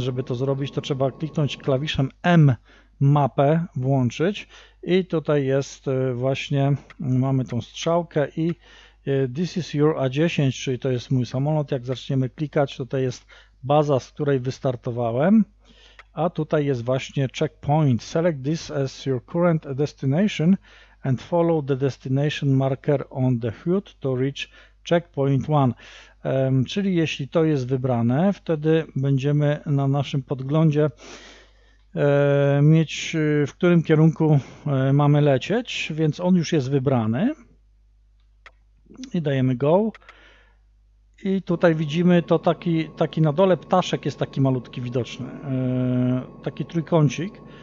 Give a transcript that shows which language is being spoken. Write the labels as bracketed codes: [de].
[pl] Żeby to zrobić, to trzeba kliknąć klawiszem M mapę włączyć. I tutaj jest właśnie, mamy tą strzałkę i [en] this is your A10, [pl] czyli to jest mój samolot. Jak zaczniemy klikać, tutaj jest baza, z której wystartowałem. A tutaj jest właśnie checkpoint. [en] Select this as your current destination and follow the destination marker on the HUD to reach checkpoint 1. [pl] Czyli jeśli to jest wybrane, wtedy będziemy na naszym podglądzie mieć, w którym kierunku mamy lecieć, więc on już jest wybrany. I dajemy go. I tutaj widzimy to taki na dole ptaszek jest taki malutki widoczny. Taki trójkącik.